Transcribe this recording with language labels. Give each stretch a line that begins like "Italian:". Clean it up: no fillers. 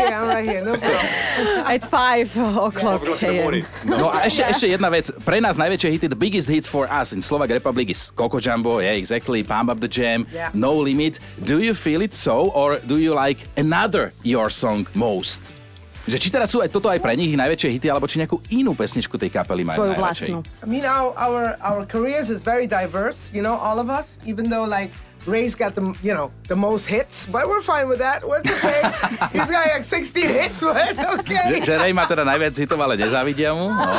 English: I'm right here, no problem. 5 o'clock.
Slovak: No a ešte jedna vec. Pre nás najväčšie hity,
English: the biggest hits for us in Slovak Republic is Coco Jumbo, yeah, exactly, Pump Up the Jam, yeah. No Limit. Do you feel it so, or do you like another your song most?
Slovak: Že či teraz sú aj toto aj pre nich najväčšie hity, alebo či nejakú inú pesničku tej kapely majú najväčšie? Svoju vlastnú.
English: I mean, our careers is very diverse, you know, all of us, even though like Ray's got the, you know, the most hits, but we're fine with that. What to say? He's got like 16 hits, but it's okay.
Slovak: Že Ray má teda najviac hitov, ale nezávidia mu.